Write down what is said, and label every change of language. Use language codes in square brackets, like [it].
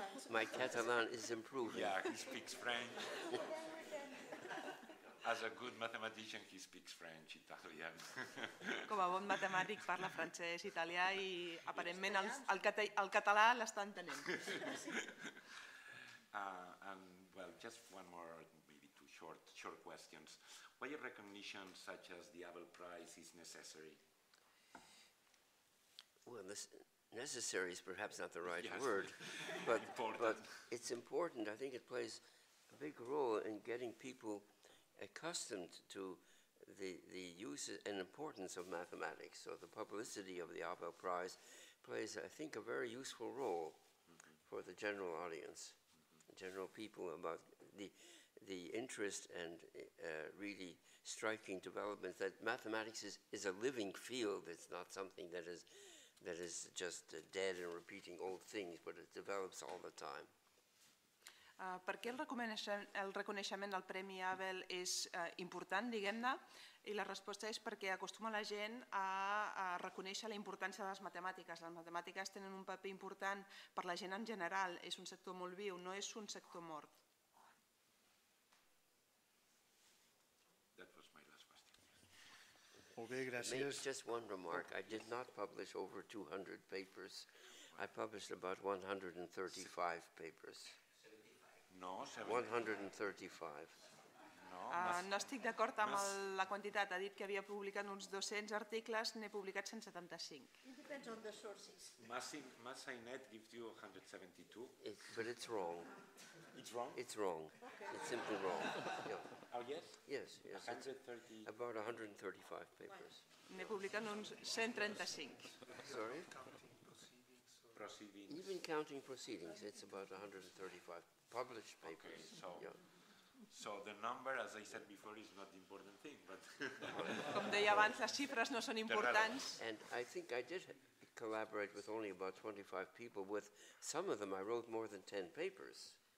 [en] My Catalan is improving. Yeah, he speaks French. As a good mathematician, he speaks French, Italian. [ca] Com a bon matemàtic, parla francès, italià i aparentment el català l'està entenent. [en] And well, just one more, maybe two short. short questions. Why a recognition such as the Abel Prize is necessary? Well, this necessary is perhaps not the right word, but it's important. I think it plays a big role in getting people accustomed to the use and importance of mathematics. So the publicity of the Abel Prize plays, I think, a very useful role for the general audience, general people, about the interest and really striking developments that mathematics is a living field. It's not something that is just dead and repeating old things, but it develops all the time. [ca] Per què el reconeixement del Premi Abel és important, diguem-ne? I la resposta és perquè acostuma la gent a reconèixer la importància de les matemàtiques. Les matemàtiques tenen un paper important per la gent en general. És un sector molt viu, no és un sector mort. [en] That was my last question. [ca] Molt bé, gràcies. [en] Make just one remark. I did not publish over 200 papers. I published about 135 papers. No, 135. [ca] No estic d'acord amb la quantitat. Ha dit que havia publicat uns 200 articles, n'he publicat 175. [en] Depends on the sources. Massainet gives you 172. But it's wrong. It's wrong? It's wrong. Okay. It's simply wrong. Yeah. Oh, yes? Yes, yes. 130. About 135 papers. [ca] N'he publicat uns 135. [en] Sorry? Counting proceedings. Even counting proceedings, it's about 135. Published papers. Okay, so the number, as I said before, is not the important thing, but [ca] com deia abans, les xifres no són importants. [en] And I think I did collaborate with only about 25 people. With some of them I wrote more than 10 papers.